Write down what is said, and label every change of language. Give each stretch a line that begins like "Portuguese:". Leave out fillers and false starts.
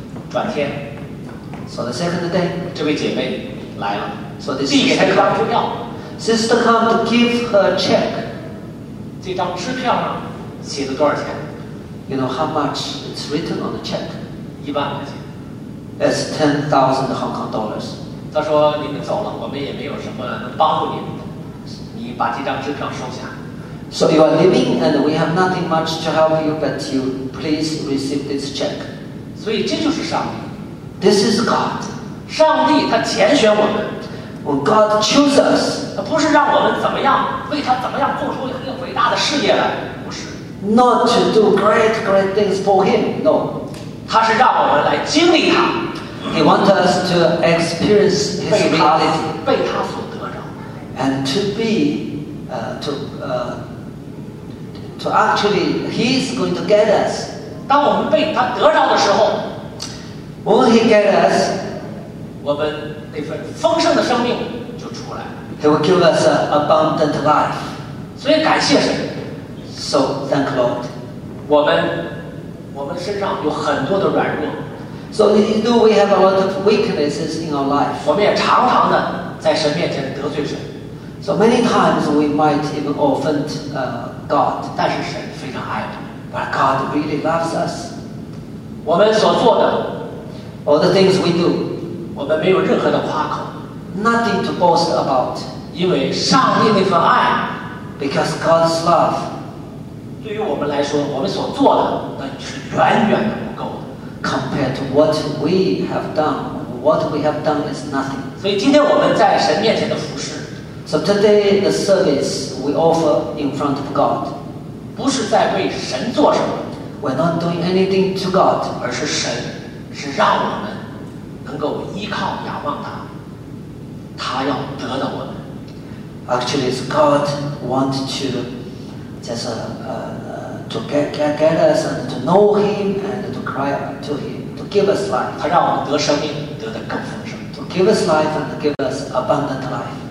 Chinese: 转天。
English: So the second day,
Chinese: 这位姐妹来了。
English: So this sister,
Chinese: 递给她一张支票。
English: Sister come to give her check.
Chinese: 这张支票上写了多少钱？
English: You know how much it's written on the check?
Chinese: 10,000。
English: It's 10,000 Hong Kong dollars.
Chinese: 她说你们走了，我们也没有什么能帮助你们的。你把这张支票收下。
English: So you are leaving, and we have nothing much to help you, but you please receive this check.
Chinese: 所以这就是上帝。
English: This is God.
Chinese: 上帝他拣选我们。
English: When God chooses us,
Chinese: 他不是让我们怎么样为他怎么样做出一个伟大的事业来，不是。
English: Not to do great, great things for Him. No.
Chinese: 他是让我们来经历他。
English: He wants us to experience His reality.
Chinese: 被他所得着。
English: And to be. To actually, he's going to get us.
Chinese: 当我们被他得着的时候
English: ，When he get us,
Chinese: 我们那份丰盛的生命就出来。
English: He will give us an abundant life.
Chinese: 所以感谢神。
English: So thank Lord.
Chinese: 我们身上有很多的软弱。
English: So you know we have a lot of weaknesses in our life.
Chinese: 我们也常常的在神面前得罪神。
English: So many times we might even offend God.
Chinese: 但是神非常爱我们。
English: But God really loves us.
Chinese: 我们所做的
English: all the things we do,
Chinese: 我们没有任何的夸口
English: nothing to boast about.
Chinese: 因为上帝那份爱
English: because God's love.
Chinese: 对于我们来说，我们所做的那是远远的不够的
English: compared to what we have done. What we have done is nothing.
Chinese: 所以今天我们在神面前的服侍。
English: So today the service we offer in front of God,
Chinese: 不是在为神做什么。
English: We're not doing anything to God,
Chinese: 而是神是让我们能够依靠仰望他。他要得到我们。
English: Actually, it's God want to just to get us and to know Him and to cry to Him to give us life.
Chinese: 他让我们得生命，得的更丰盛。
English: To give us life and give us abundant life.